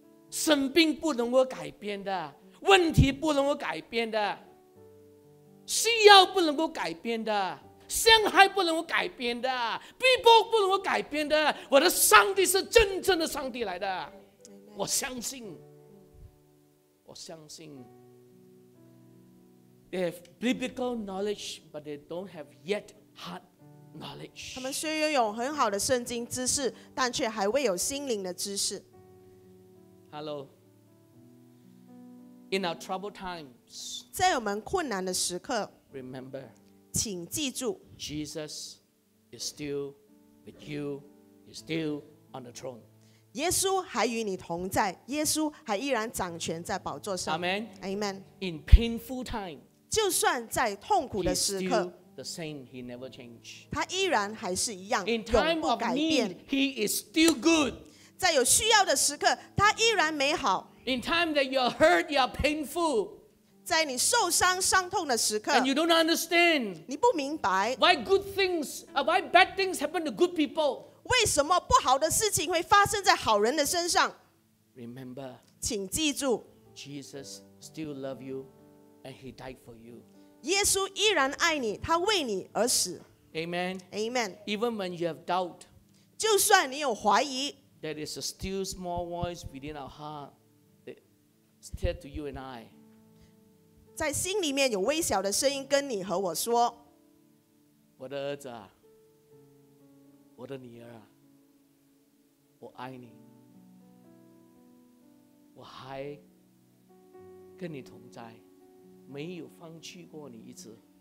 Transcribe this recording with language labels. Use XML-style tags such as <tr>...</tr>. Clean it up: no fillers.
<zh>生病不能够改变的，问题不能够改变的，需要不能够改变的，伤害不能够改变的，逼迫不能够改变的。我的上帝是真正的上帝来的，</zh> <en>Amen.</en> <zh>我相信。我相信</zh> <en>they have biblical knowledge, but they don't have yet heart knowledge.</en> <zh>他们虽拥有很好的圣经知识，但却还未有心灵的知识。</zh> <en>Hello. In our troubled times,</en> <zh>在我们困难的时刻，</zh> <en>remember,</en> <zh>请记住，</zh> <en>Jesus is still with you, he's still on the throne.</en> <zh>耶稣还与你同在，耶稣还依然掌权在宝座上。</zh> <en>Amen. Amen. In painful time,</en> <zh>就算在痛苦的时刻，</zh> <en>He's still the same. He never changed.</en> <zh>他依然还是一样，</zh> <en>In time</en> <zh>永不改变。</zh> <en>Of need, He is still good.</en> <zh>在有需要的时刻，他依然美好。</zh> <en>In time that you're hurt, you're painful.</en> <zh>在你受伤伤痛的时刻，</zh> <en>And you don't understand.</en> <zh>你不明白。</zh> <en>Why good things, why bad things happen to good people?</en> <zh>为什么不好的事情会发生在好人的身上？</zh> <en>Remember,</en> <zh>请记住，</zh> <en>Jesus still loves you and he died for you.</en> <zh>耶稣依然爱你，他为你而死。</zh> <en>Amen. Amen. Even when you have doubt,</en> <zh>就算你有怀疑，</zh> <en>there is a still small voice within our heart that said to you and I,</en> <zh>在心里面有微小的声音跟你和我说，我的儿子啊，我的女儿啊，我爱你，我还跟你同在，没有放弃过你一次。</zh>